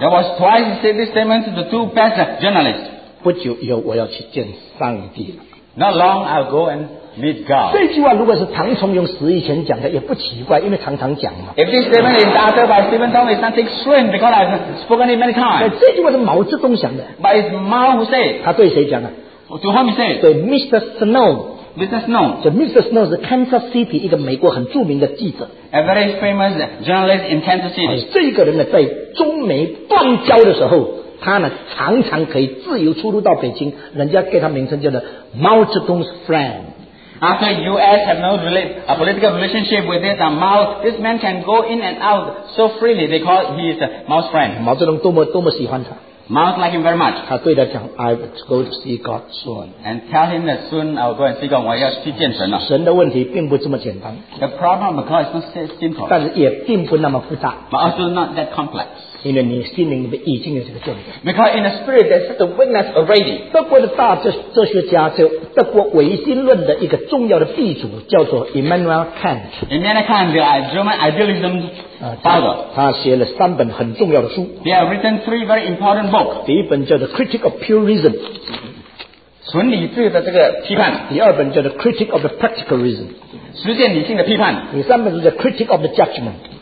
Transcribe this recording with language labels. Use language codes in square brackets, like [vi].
[en] There was twice he said this statement to the two best journalists. [zh] 不久以后我要去见上帝了。 [en] Not long I'll go and meet God. [zh] 这句话如果是唐崇荣死以前讲的也不奇怪，因为常常讲嘛。 [en] If this statement is uttered by Stephen Tong, it's nothing strange because I've spoken it many times. [zh] 这句话是毛泽东讲的。 [en] But it's Mao who said. [zh] 他对谁讲的？ [en] To whom he said? [zh] 对 Mr. Snow。 [en] Mr. Snow. So Mr. Snow is Kansas City, [zh] 一个美国很著名的记者. [en] A very famous journalist in Kansas City. [zh] 这个人呢，在中美断交的时候, 他呢常常可以自由出入到北京, 人家给他名称叫做毛泽东's friend. [en] After U.S. have no a political relationship with it, Mao, this man can go in and out so freely. They call he is Mao's friend. [zh] 毛泽东多么喜欢他。 [en] Mouth like him very much. [zh] 他对他讲, [en] I will go to see God soon. And tell him that soon I will go and see God. [zh] 我要去见神了。神的问题并不这么简单。 [en] The problem of God is not simple. [zh] 但是也并不那么复杂。 [en] But also not that complex. [zh] 因为你心灵里面已经有这个证据。 [en] Because in the spirit there's the witness already. [zh] 德国的大哲学家，就德国唯心论的一个重要的鼻祖， 叫做 Immanuel Kant. [en] Immanuel Kant, the German idealism. [zh] 他写了三本很重要的书。 [en] They have written three very important books. [zh] 第一本叫做 Critic of Pure Reason. 纯理智的这个批判。第二本叫做 Critic of the Practical Reason. 实践理性的批判。第三本叫做 Critic of the Judgment.